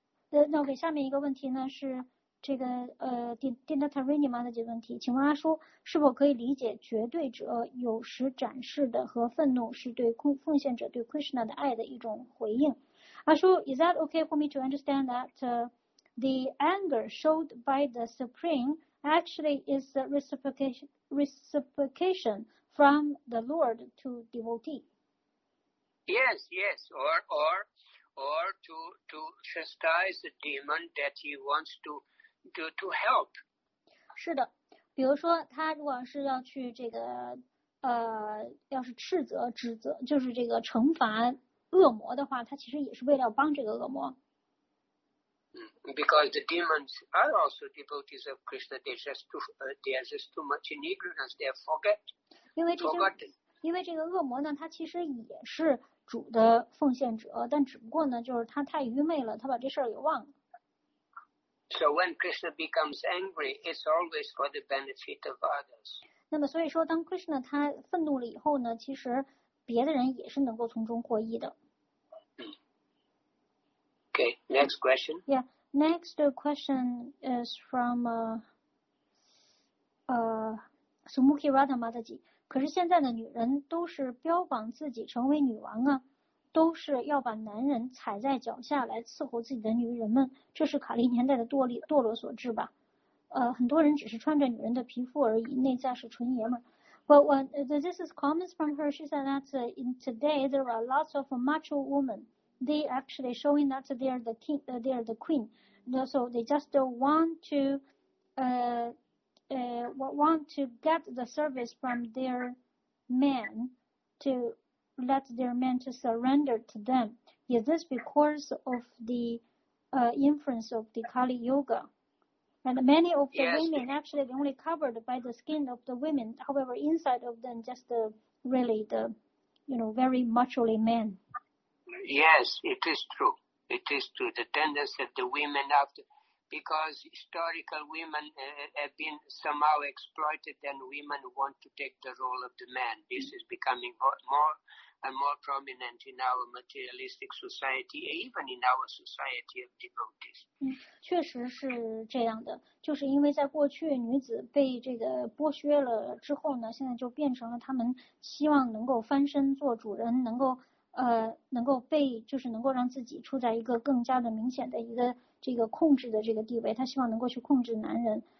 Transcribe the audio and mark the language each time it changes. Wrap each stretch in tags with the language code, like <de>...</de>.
<zh>那我给下面一个问题呢，是这个丁达塔瑞尼玛的几个问题，请问阿叔是否可以理解绝对者有时展示的和愤怒是对奉献者对 Krishna 的爱的一种回应？</zh> <en>阿叔 ，Is that okay for me to understand that the anger showed by the Supreme actually is a reciprocation from the Lord to devotee? Yes, yes, or to chastise the demon that he wants to help.</en> <zh>是的，比如说他如果是要去这个要是斥责、指责，就是这个惩罚恶魔的话，他其实也是为了帮这个恶魔。</zh> <en>Because the demons are also devotees of Krishna, they are just too much in ignorance. They forget.</en> <zh>因为这个恶魔呢，他其实也是主的奉献者，但只不过呢，就是他太愚昧了，他把这事儿给忘了。</zh> <en>So when Krishna becomes angry, it's always for the benefit of others.</en> <zh>那么所以说，当 Krishna 他愤怒了以后呢，其实别的人也是能够从中获益的。</zh> <en>Okay, next question. Yeah, next question is from Sumukhi Radha Mataji.</en> <zh>可是现在的女人都是标榜自己成为女王啊。都是要把男人踩在脚下来伺候自己的女人们，这是卡利年代的堕落所致吧？很多人只是穿着女人的皮肤而已，内在是纯爷们。</zh> <en>But when this is comments from her, she said that in today there are lots of macho women. They actually showing that they are the king, they are the queen. So they just want to get the service from their men to. Let their men to surrender to them. Is this because of the influence of the Kali Yuga? And many of the women actually only covered by the skin of the women. However, inside of them, just really the, you know, very macho-ly men. Yes, it is true. It is true. The tendency of the women after, because historical women have been somehow exploited, and women want to take the role of the man. This is becoming more prominent in our materialistic society, even in our society of devotees.</en> <zh>确实是这样的，就是因为在过去女子被这个剥削了之后呢，现在就变成了她们希望能够翻身做主人，能够让自己处在一个更加的明显的一个这个控制的这个地位，她希望能够去控制男人。</zh>